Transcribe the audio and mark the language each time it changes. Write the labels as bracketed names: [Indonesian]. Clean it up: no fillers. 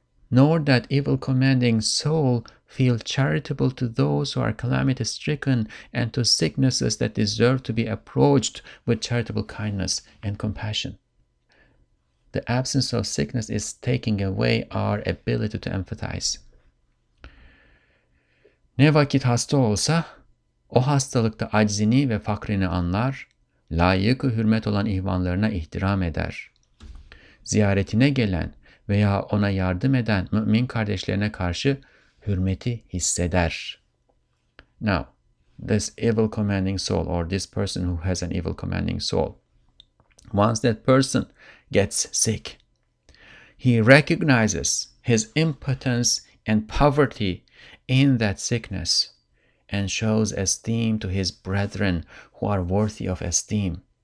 [English] Nor that evil commanding soul feel charitable to those who are calamity stricken and to sicknesses that deserve to be approached with charitable kindness and compassion. The absence of sickness is taking away our ability to empathize. [Turkish] Ne vakit hasta olsa, o hastalıkta aczini ve fakrini anlar, layık-ı hürmet olan ihvanlarına ihtiram eder. Ziyaretine gelen veya ona yardım eden mümin kardeşlerine karşı hürmeti hisseder. [English] Now, this evil commanding soul, or this person who has an evil commanding soul, once that person gets sick, he recognizes his impotence and poverty in that sickness and shows esteem to his brethren who are worthy of esteem.